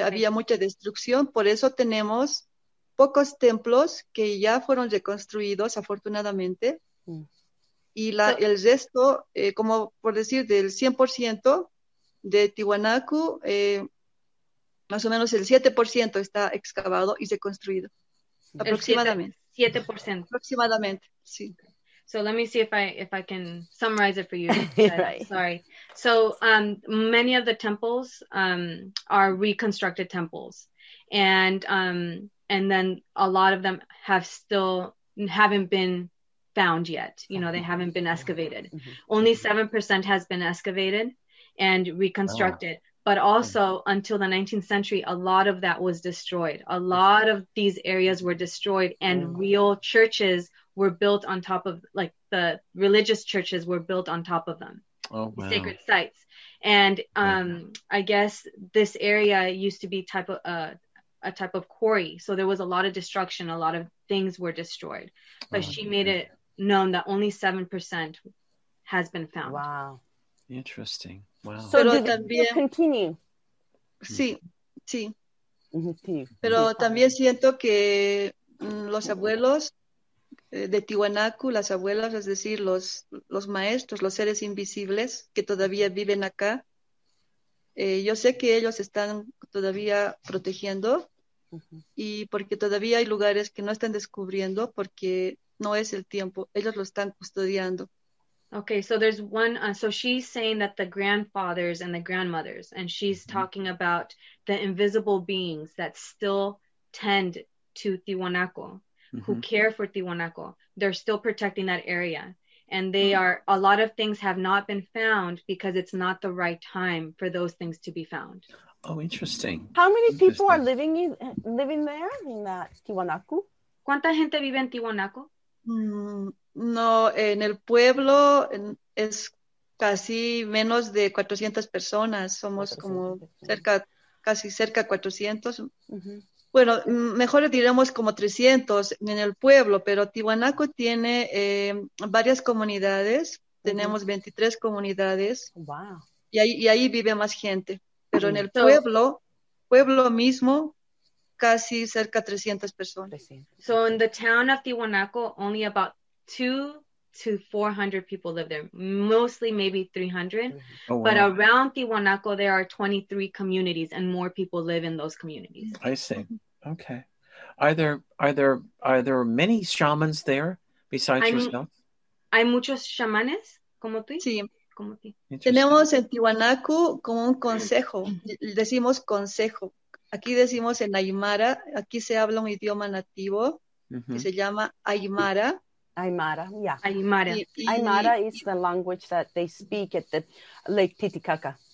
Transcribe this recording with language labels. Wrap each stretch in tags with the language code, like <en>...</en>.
<es>había mucha destrucción, por eso tenemos pocos templos que ya fueron reconstruidos afortunadamente. Y el resto, como por decir, del 100% de Tiwanaku, más o menos el 7% está excavado y reconstruido. Aproximadamente. 7%. Aproximadamente, sí.</es> <en>So let me see if I can summarize it for you. Right. Sorry. So many of the temples are reconstructed temples. And then a lot of them haven't been found yet. You know, they haven't been excavated. Mm-hmm. Only 7% has been excavated and reconstructed. Wow. But also until the 19th century, a lot of that was destroyed. A lot of these areas were destroyed and real churches were built on top of, like the religious churches were built on top of them. Oh, wow. Sacred sites. And I guess this area used to be a type of quarry. So there was a lot of destruction. A lot of things were destroyed. But she made it known that only 7% has been found. Wow. Interesting. Wow. So</en> <es>pero también</es> <en>continue.</en> <es>Sí, sí. Pero también siento que los abuelos de Tiwanaku, las abuelas, es decir, los maestros, los seres invisibles que todavía viven acá, yo sé que ellos están todavía protegiendo y porque todavía hay lugares que no están descubriendo porque no es el tiempo, ellos lo están custodiando.</es> <en>Okay, so there's one, so she's saying that the grandfathers and the grandmothers, and she's mm-hmm. talking about the invisible beings that still tend to Tiwanaku, mm-hmm. who care for Tiwanaku, they're still protecting that area. And they mm-hmm. are, a lot of things have not been found because it's not the right time for those things to be found. Oh, interesting. How many people are living there in that Tiwanaku?</en> <es>¿Cuánta gente vive en Tiwanaku? No, en el pueblo es casi menos de 400 personas. Somos 400. Como cerca, casi cerca 400. Uh-huh. Bueno, mejor diríamos como 300 en el pueblo, pero Tiwanaku tiene varias comunidades. Tenemos 23 comunidades.</es> <en>Wow.</en> <es>Y ahí vive más gente. Pero en el pueblo mismo, casi cerca de 300 personas.</es> <en>So in the town of Tiwanaku, only about 200 to 400 people live there. Mostly maybe 300. Oh, wow. But around Tiwanaku, there are 23 communities and more people live in those communities. I see. Okay. Are there many shamans there besides yourself?</en> <es>Hay muchos chamanes como tú. Sí. Tenemos en Tiwanaku como un consejo, decimos consejo, aquí decimos en Aymara, aquí se habla un idioma nativo que se llama Aymara.</es> <en>Aymara, yeah. Aymara. Aymara is the language that they speak at the Lake Titicaca.</en>